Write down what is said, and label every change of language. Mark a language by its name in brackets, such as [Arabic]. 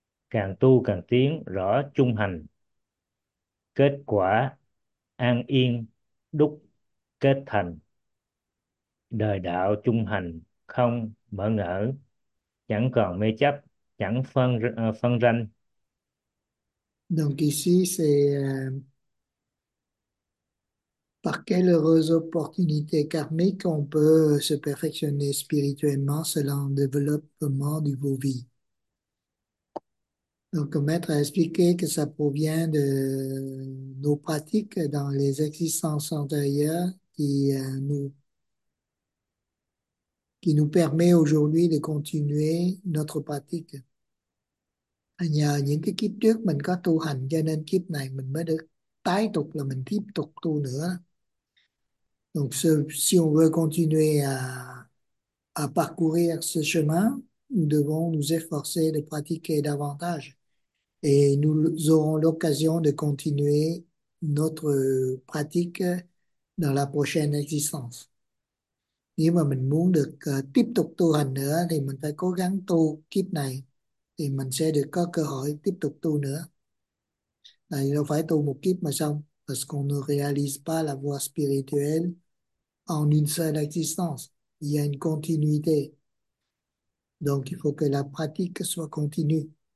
[Vietnamese] Càng tu càng tiến rõ chung hành, kết quả an yên đúc kết thành, đời đạo chung hành không bỡ ngỡ, chẳng còn mê chấp, chẳng phân ranh. [French] Donc ici, c'est par quelles opportunités karmiques on peut se perfectionner spirituellement selon le développement du Vô-Vi. Donc, Maître a expliqué que ça provient de nos pratiques dans les existences antérieures qui nous permet aujourd'hui de continuer notre pratique. [Vietnamese] Nhờ những cái kiếp trước mình có tu hành cho nên kiếp này mình mới được tái tục, là mình tiếp tục tu nữa. [French] Donc, si on veut continuer à parcourir ce chemin, nous devons nous efforcer de pratiquer davantage et nous aurons l'occasion de continuer notre pratique dans la prochaine existence. [Vietnamese] Nếu mà mình muốn được tiếp tục tu hành nữa thì mình phải cố gắng tu kiếp này thì mình sẽ được có cơ hội tiếp tục tu nữa. Tại đâu phải tu một kiếp mà xong, [French] parce qu'on ne réalise pas la voie spirituelle en une seule existence. Il y a une continuité. Donc, il faut que la pratique soit continue.